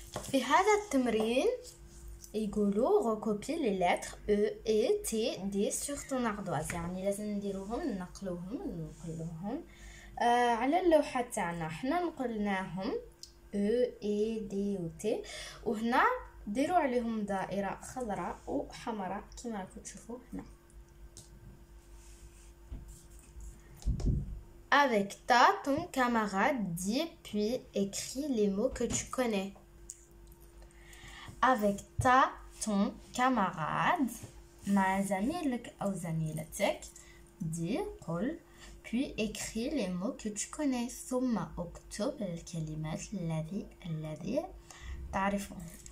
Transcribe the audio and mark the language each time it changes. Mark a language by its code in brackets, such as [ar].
[ar] في هذا التمرين يقولوا [fr] ركوبي لي لتر او اي تي دي سور تون اردواز، [ar] يعني لازم نديروهم نقلوهم نقلوهم على اللوحه تاعنا. حنا نقلناهم او اي دي و تي، وهنا ديروا عليهم دائره خضراء وحمراء كما راكم تشوفوا هنا. [fr] avec ta ton camarade dis puis écris les mots que tu connais. avec ta ton camarade [ar] مع زميلك او زميلتك، [fr] دي قل puis écris les mots que tu connais. [ar] ثم اكتب الكلمات الذي تعرفهم.